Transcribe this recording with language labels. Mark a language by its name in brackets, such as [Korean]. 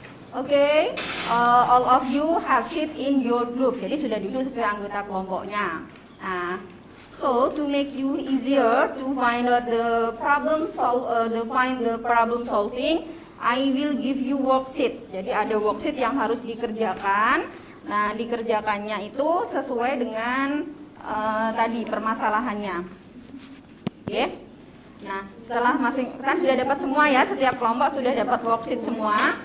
[English] Okay, all of you have sit in your group. [Indonesian] Jadi sudah duduk sesuai anggota kelompoknya. [English] So to make you easier to find out the problem solving. I will give you worksheet. [Indonesian] Jadi ada worksheet yang harus dikerjakan. Nah, dikerjakannya itu sesuai dengan tadi permasalahannya. Oke. Okay. Nah, setelah masing-masing kan sudah dapat semua ya, setiap kelompok sudah dapat worksheet semua.